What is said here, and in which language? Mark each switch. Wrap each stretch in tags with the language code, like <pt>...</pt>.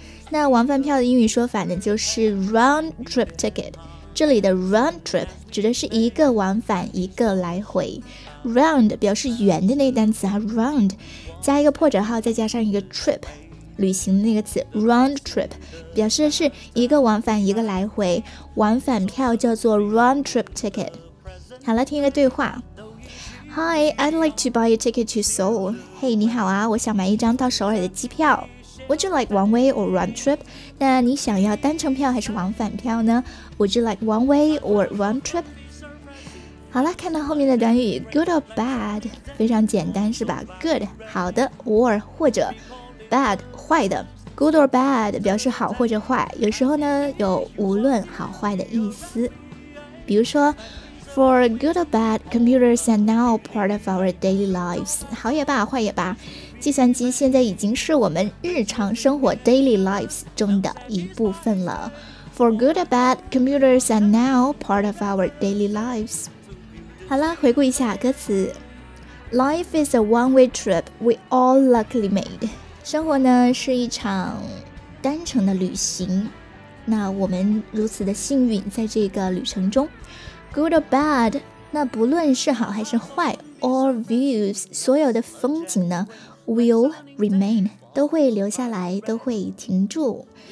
<zh>那往返票的英语说法呢，就是 round trip ticket， 这里的 round trip 指的是一个往返一个来回。 round 表示圆的那单词啊， round 加一个破折号再加上一个 trip，旅行的那个词 round trip， 表示的是一个往返一个来回，往返票叫做 round trip ticket。好了，听一个对话。</zh> <en>Hi, I'd like to buy a ticket to Seoul.</en> <zh>Hey, 你好啊，我想买一张到首尔的机票。</zh> <en>Would you like one way or round trip?</en> <zh>那你想要单程票还是往返票呢？</zh> <en>Would you like one way or round trip?</en> <zh>好了，看到后面的短语 good or bad， 非常简单是吧？ good 好的 or 或者bad 坏的， good or bad 表示好或者坏，有时候呢有无论好坏的意思。比如说</zh> <en>for good or bad, computers are now part of our daily lives，</en> <zh>好也罢坏也罢，计算机现在已经是我们日常生活 daily lives 中的一部分了。</zh> <en>for good or bad, computers are now part of our daily lives。</en> <zh>好了，回顾一下歌词。</zh> <en>life is a one-way trip we all luckily made，</en> <zh>生活呢是一场单程的旅行，那我们如此的幸运在这个旅程中。 Good or bad， 那不论是好还是坏， All views， 所有的风景呢 Will remain， 都会留下来，都会停住。</zh>